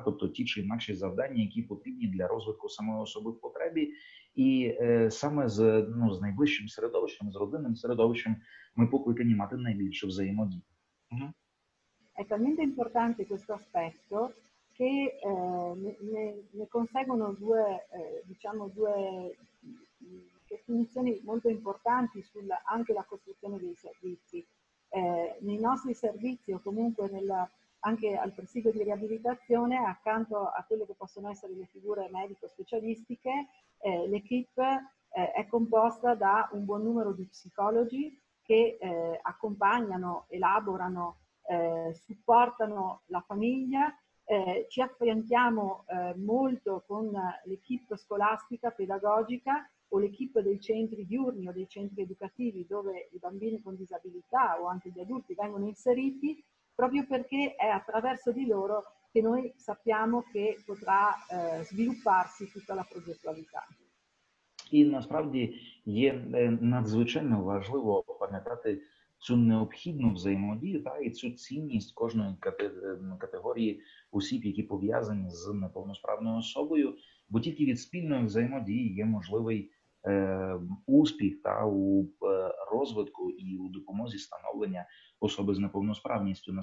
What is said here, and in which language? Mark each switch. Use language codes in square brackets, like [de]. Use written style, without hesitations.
[uk] Тобто ті чи інакші завдання, які потрібні для розвитку самої особи в потребі. І саме з, ну, з найближчим середовищем, з родинним середовищем ми покликані мати найбільше взаємодії. [it] È talmente importante questo aspetto che ne conseguono due, diciamo, due definizioni molto importanti sulla anche la costruzione dei servizi. Nei nostri servizi o comunque anche al presidio di riabilitazione, accanto a quelle che possono essere le figure medico-specialistiche, l'equipe è composta da un buon numero di psicologi che accompagnano, elaborano, supportano la famiglia, ci affianchiamo molto con l'equipe scolastica, pedagogica o l'equipe dei centri diurni o dei centri educativi dove i bambini con disabilità o anche gli adulti vengono inseriti, proprio perché è attraverso di loro che noi sappiamo che potrà svilupparsi tutta la progettualità. [uk] E насправді є надзвичайно важливо пам'ятати цю необхідну взаємодію, та, і цю цінність кожної категорії осіб, які пов'язані з неповносправною особою, бо тільки від спільної взаємодії є можливий успіх та у розвитку і у допомозі становлення особи з неповносправністю.